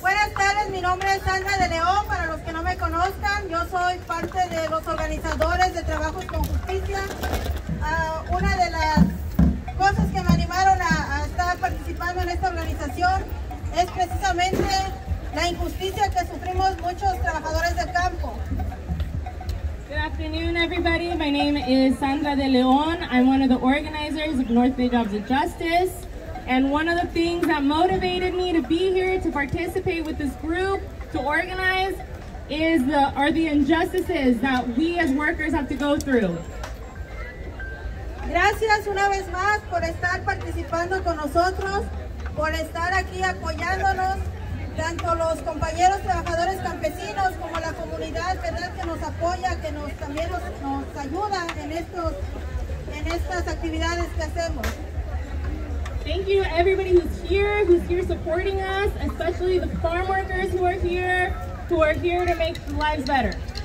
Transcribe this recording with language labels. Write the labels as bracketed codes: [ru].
[es] Buenas tardes, mi nombre es Sandra de León. Para los que no me conozcan, yo soy parte de los organizadores de Trabajos con Justicia. Una de las cosas que me animaron a estar participando en esta organización es precisamente la injusticia que sufrimos muchos trabajadores del campo. [en] Good afternoon, everybody. My name is Sandra de León. I'm one of the organizers of North Bay Jobs and Justice. And one of the things that motivated me to be here to participate with this group to organize is the injustices that we as workers have to go through. [es] Gracias una vez más por estar participando con nosotros, por estar aquí apoyándonos, tanto los compañeros trabajadores campesinos como la comunidad, ¿verdad?, que nos apoya, que nos también nos ayuda en estas actividades que hacemos. [en] Thank you to everybody who's here supporting us, especially the farm workers who are here to make lives better.